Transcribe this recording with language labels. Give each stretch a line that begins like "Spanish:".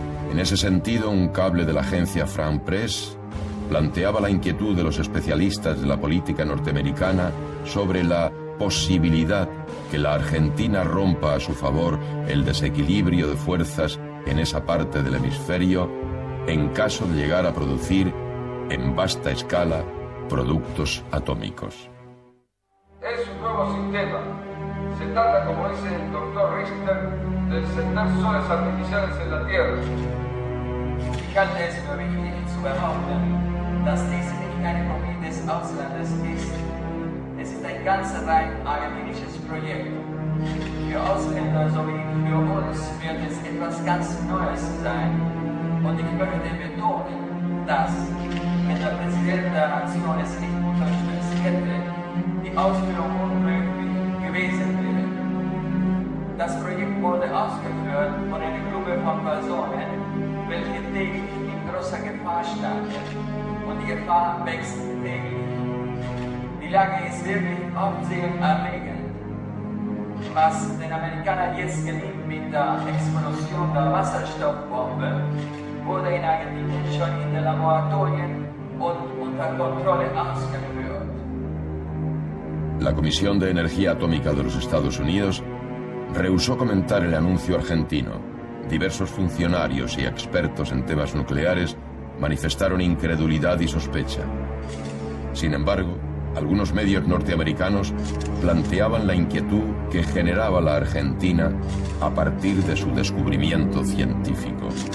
Spanish: En ese sentido, un cable de la agencia France Presse planteaba la inquietud de los especialistas de la política norteamericana sobre la posibilidad que la Argentina rompa a su favor el desequilibrio de fuerzas en esa parte del hemisferio en caso de llegar a producir en vasta escala productos atómicos. Es un nuevo sistema. Se trata, como dice el doctor Richter, de sentar soles artificiales en la Tierra. Fíjate, señor Richter, su que es
German: es ist ein ganz rein argentinisches Projekt. Für Ausländer sowie für uns wird es etwas ganz Neues sein. Und ich möchte betonen, dass, wenn der Präsident der Nation es nicht unterstützt hätte, die Ausführung unmöglich gewesen wäre. Das Projekt wurde ausgeführt von einer Gruppe von Personen, welche täglich in großer Gefahr standen. Und die Gefahr wächst täglich. Die Lage ist wirklich aufsehenerregend. Was den Amerikanern jetzt gelingt mit der Explosion der Wasserstoffbombe, wurde in Argentinien schon in den Laboratorien und unter Kontrolle ausgeführt.
Spanish: La Comisión de Energía Atómica de los Estados Unidos rehusó comentar el anuncio argentino. Diversos funcionarios y expertos en temas nucleares manifestaron incredulidad y sospecha. Sin embargo, algunos medios norteamericanos planteaban la inquietud que generaba la Argentina a partir de su descubrimiento científico.